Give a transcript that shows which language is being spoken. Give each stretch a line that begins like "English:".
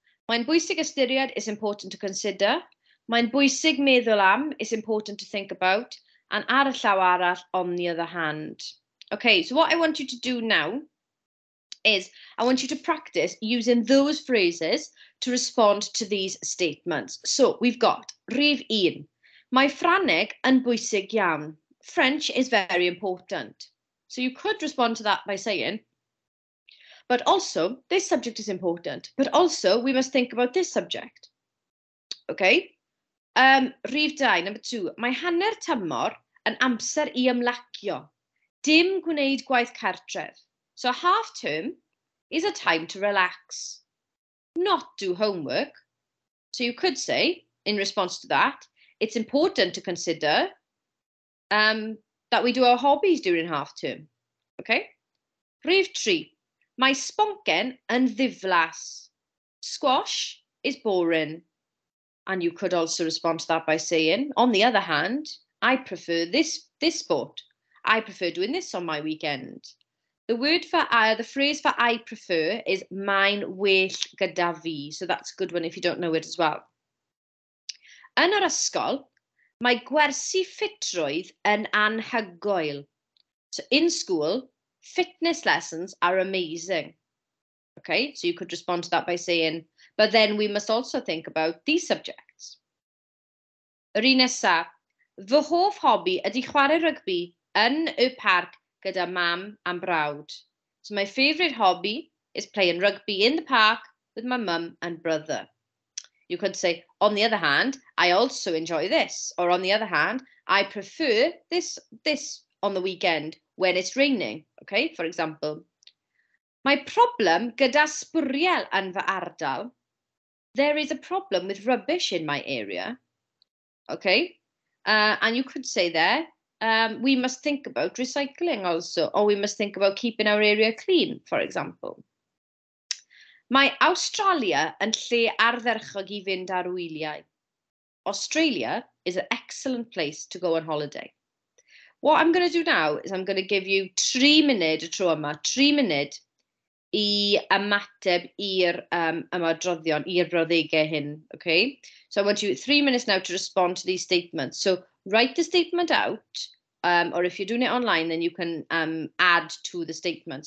Welsh: Mae'n bwysig ystyried,
English: is important to consider.
Welsh: Mae'n bwysig meddwl am,
English: is important to think about. And
Welsh: ar y llaw arall,
English: on the other hand. Okay, so what I want you to do now is I want you to practice using those phrases to respond to these statements. So we've got
Welsh: rhif un. Mae Ffrangeg yn bwysig iawn.
English: French is very important. So you could respond to that by saying, but also, this subject is important. But also, we must think about this subject.
Welsh: Okay? Rhif dau,
English: number two.
Welsh: Mae hanner tymor a yn amser I ymlacio, dim gwneud gwaith cartref.
English: So half term is a time to relax, not do homework. So you could say, in response to that, it's important to consider that we do our hobbies during half term.
Welsh: Okay? Rhif tri. Mae sponken yn ddiflas.
English: Squash is boring. And you could also respond to that by saying, on the other hand, I prefer this sport. I prefer doing this on my weekend. The word for the phrase for I prefer is
Welsh: mae'n well gyda fi.
English: So that's a good one if you don't know it as well.
Welsh: Yn yr ysgol, mae gwersi ffitrwydd yn anhygoel.
English: So in school, fitness lessons are amazing. Okay, so you could respond to that by saying, but then we must also think about these subjects.
Welsh: Yr un nesa, fy hoff hobi ydy chwarae rygbi yn y parc gyda mam a'n brawd.
English: So my favourite hobby is playing rugby in the park with my mum and brother. You could say, on the other hand, I also enjoy this. Or on the other hand, I prefer this on the weekend when it's raining. Okay, for example.
Welsh: My problem gyda sbwriel yn fy ardal.
English: There is a problem with rubbish in my area. Okay, and you could say there, we must think about recycling also, or we must think about keeping our area clean, for example.
Welsh: Mae Australia yn lle ardderchog I fynd ar wyliau.
English: Australia is an excellent place to go on holiday. What I'm going to do now is I'm going to give you
Welsh: 3 munud y tro yma,
English: 3 munud
Welsh: I ymateb i'r ymadroddion, i'r brawddegau hyn,
English: okay? So I want you 3 minutes now to respond to these statements. So write the statement out, or if you're doing it online, then you can add to the statement.